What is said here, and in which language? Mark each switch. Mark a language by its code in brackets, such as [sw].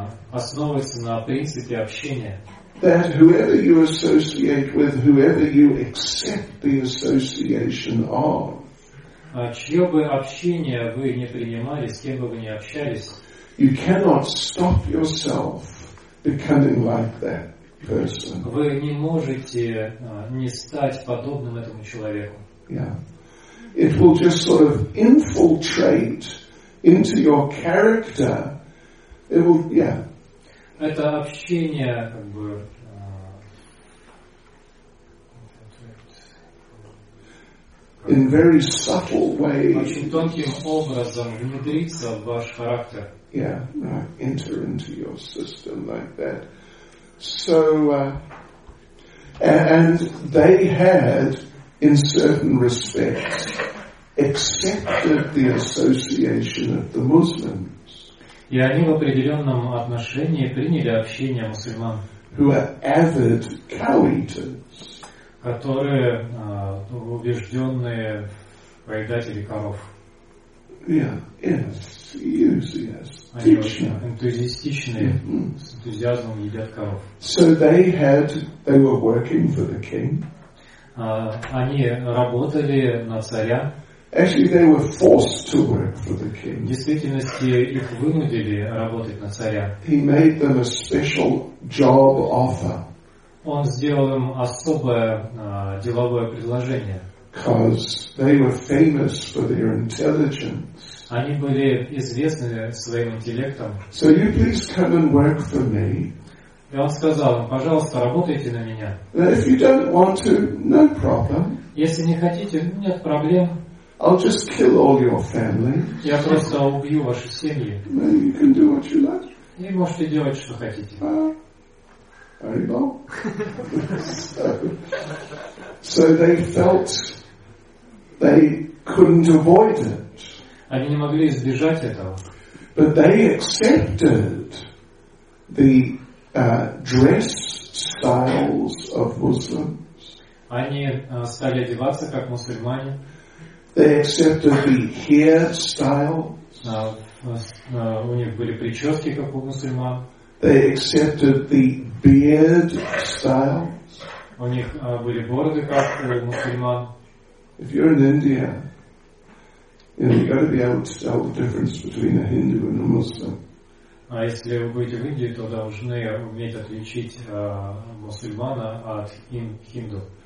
[ru] основывается на принципе общения. [en] That whoever you associate with, whoever you accept the association of, [ru] чье бы общение вы не принимали, с кем бы вы не общались, [en] you cannot stop yourself becoming like that person. [ru] Вы не можете не стать подобным этому человеку. [en] Yeah. It will just sort of infiltrate into your character. It will, yeah. [ru] Это общение как бы [en] in very subtle ways. [ru] Очень тонким образом внедрится в ваш характер. [en] Yeah, right. Enter into your system like that. So and they had in certain respects, accepted the association of the Muslims. [ru] И они в определенном отношении приняли общение мусульман. [en] Who are avid cow-eaters. [ru] Которые убежденные поедатели коров. [en] Yeah, enthusiasts. [ru] Они очень энтузиастичные, с энтузиазмом едят коров. [en] So they were working for the king. [ru] Они работали на царя. [en] Actually, they were forced to work for the king. [ru] В действительности, их вынудили работать на царя. [en] He made them a special job offer. [ru] Он сделал им особое деловое предложение. [en] Because they were famous for their intelligence. [ru] Они были известны своим интеллектом. [en] So you please come and work for me. [ru] И он сказал им, пожалуйста, работайте на меня. [en] If you don't want to, no problem. [ru] Если не хотите, нет проблем. [en] I'll just kill all your family. [ru] Я просто убью ваши семьи. [en] You can do what you like. [ru] И можете делать, что хотите. [en] Very well. So they felt they couldn't avoid it. [ru] Они не могли избежать этого. [en] But they accepted the dress styles of Muslims. [ru] Они стали одеваться как мусульмане. [en] They accepted the hair style. [ru] У них были прически как у мусульман. [en] They accepted the beard style. [ru] У них были бороды как у мусульман. [en] If you're in India, you've got to be able to tell the difference between a Hindu and a Muslim. [ru] А если вы будете в Индии, то должны уметь отличить мусульмана от хинду.